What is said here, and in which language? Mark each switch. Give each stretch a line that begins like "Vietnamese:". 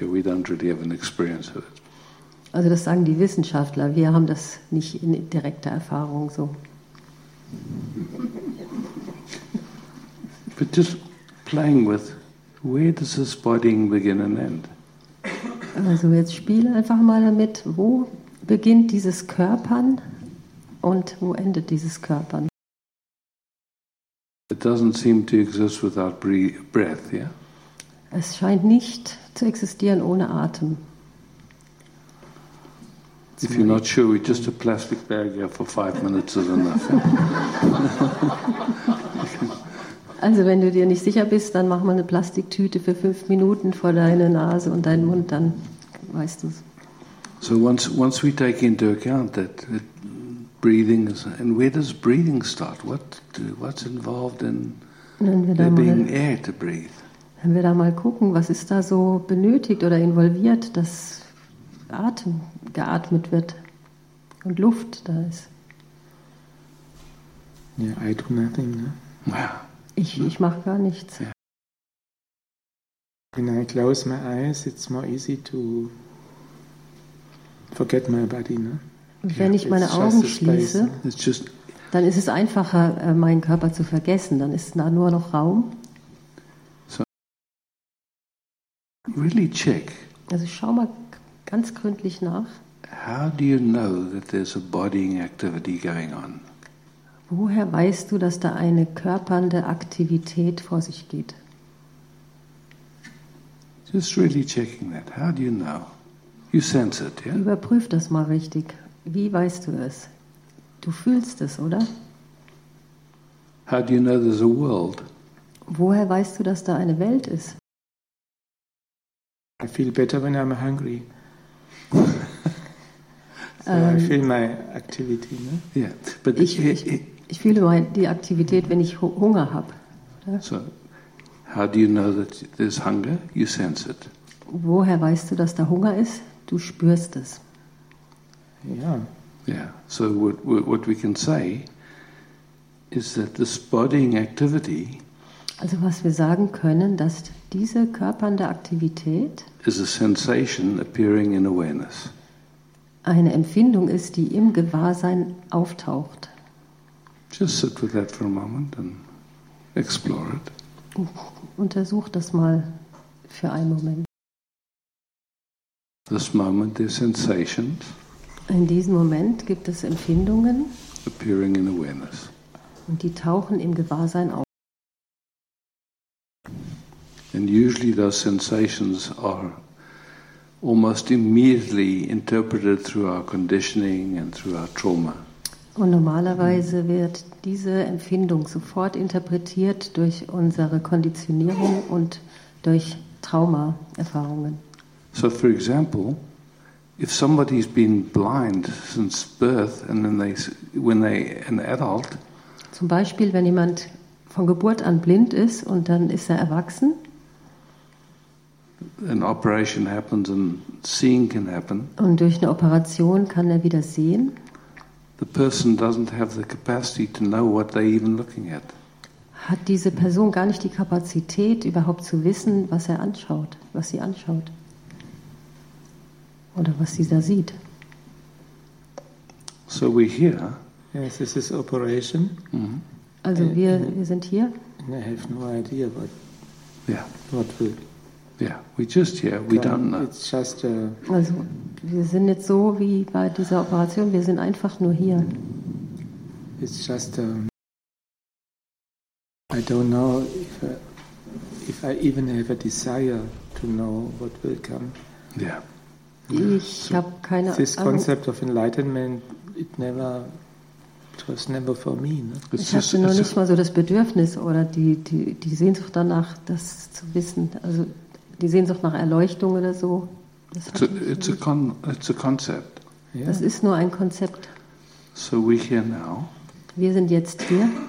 English: We don't really have an experience of it.
German: Also das sagen die Wissenschaftler. Wir haben das nicht in direkter Erfahrung so.
English: But just playing with, where does this bodying begin and end?
German: Also jetzt spiel einfach mal damit, wo beginnt dieses Körpern und wo endet dieses Körpern?
English: It doesn't seem to exist without breath, yeah?
German: Es scheint nicht zu existieren ohne Atem.
English: If you're not sure, we're just a plastic bag here for 5 minutes is enough.
German: Also wenn du dir nicht sicher bist, dann mach mal eine Plastiktüte für 5 Minuten vor deine Nase und deinen Mund, dann weißt du es.
English: So once we take into account that breathing is, and where does breathing start? What's involved in there being air to breathe?
German: Wenn wir da mal gucken, was ist da so benötigt oder involviert, dass Atem geatmet wird und Luft da ist.
English: Yeah, I do nothing. Ne?
German: Ich mache gar nichts.
English: Yeah. When I close my eyes, it's more easy to forget my body.
German: Ne? Wenn ich meine Augen schließe, dann ist es einfacher, meinen Körper zu vergessen. Dann ist da nur noch Raum.
English: Really check.
German: Also schau mal ganz gründlich nach.
English: How do you know that there's a bodying activity going on?
German: Woher weißt du, dass da eine körpernde Aktivität vor sich geht?
English: Just really checking that. How do you know? You sense it, yeah?
German: Überprüf das mal richtig. Wie weißt du es? Du fühlst es, oder?
English: How do you know there's a world?
German: Woher weißt du, dass da eine Welt ist?
English: I feel better when I'm hungry. So I feel my activity. No? Yeah, but
German: ich fühle die Aktivität, wenn ich Hunger habe.
English: So, how do you know that there's hunger? You sense it.
German: Woher weißt du, dass da Hunger ist? Du spürst es.
English: Yeah. Yeah. So what we can say is that this bodying activity.
German: Also was wir sagen können, dass diese körpernde Aktivität
English: is a sensation appearing in awareness.
German: Eine Empfindung ist, die im Gewahrsein auftaucht.
English: Just sit with that for a moment and explore it.
German: Untersuch das mal für einen Moment.
English: This moment there's sensations.
German: In diesem Moment gibt es Empfindungen
English: appearing in awareness.
German: Und die tauchen im Gewahrsein auf.
English: And usually those sensations are almost immediately interpreted through our conditioning and through our trauma.
German: Und normalerweise wird diese Empfindung sofort interpretiert durch unsere Konditionierung und durch Trauma-Erfahrungen.
English: So for example, if somebody's been blind since birth and then when they an adult.
German: Zum Beispiel, wenn jemand von Geburt an blind ist und dann ist er erwachsen.
English: An operation happens and seeing can happen.
German: Und durch eine Operation kann er wieder sehen.
English: The person doesn't have the capacity to know what they even looking at.
German: Hat diese Person gar nicht die Kapazität, überhaupt zu wissen, was er anschaut, was sie anschaut oder was sie da sieht.
English: So we're here. Yes, this is operation. Mm-hmm.
German: Also wir sind hier.
English: And I have no idea what. Yeah. What will. Yeah, we just here. We don't know. It's just a.
German: Also, wir sind jetzt so wie bei dieser Operation. Wir sind einfach nur hier.
English: It's just I don't know if I even have a desire to know what will come. Yeah.
German: Ich habe keine Ahnung.
English: This concept of enlightenment, it was never for me. No?
German: Ich hatte noch nicht mal so das Bedürfnis oder die Sehnsucht danach, das zu wissen. Also die Sehnsucht nach Erleuchtung oder so.
English: It's a concept.
German: Yeah. Das ist nur ein Konzept.
English: So we're here now.
German: Wir sind jetzt hier.